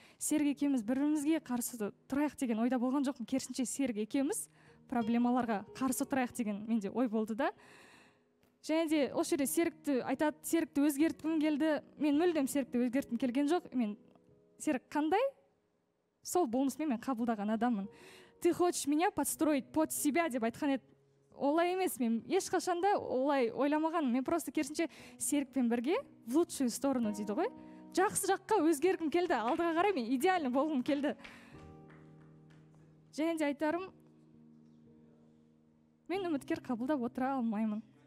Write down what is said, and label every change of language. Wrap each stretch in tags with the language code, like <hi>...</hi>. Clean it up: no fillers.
<kk>Серік екеуміз бірімізге қарсы тұрайық деген ойда болған жоқпын. Керісінше Серік екеуміз проблемаларға қарсы тұрайық деген менде ой болды да. Және де осы жерде Серікті айтады, Серікті өзгерткім келді. Мен мүлдем Серікті өзгерткім келген жоқ. Мен Серік қандай? Сол болмысымен мен қабылдаған адаммын.</kk> <ru>Ты хочешь меня подстроить под себя</ru> <kk>деп айтқан еді. Олай емес, мен ешқашан да олай ойламаған. Мен просто керісінше Серікпен бірге</kk> <ru>в лучшую сторону</ru> <kk>дейді ғой. Жақсы жаққа өзгергім келді, алдыға қарай мен идеальны болғым келді. Және де айтарым, мен үміткер қабылдап отыра алмаймын.</kk>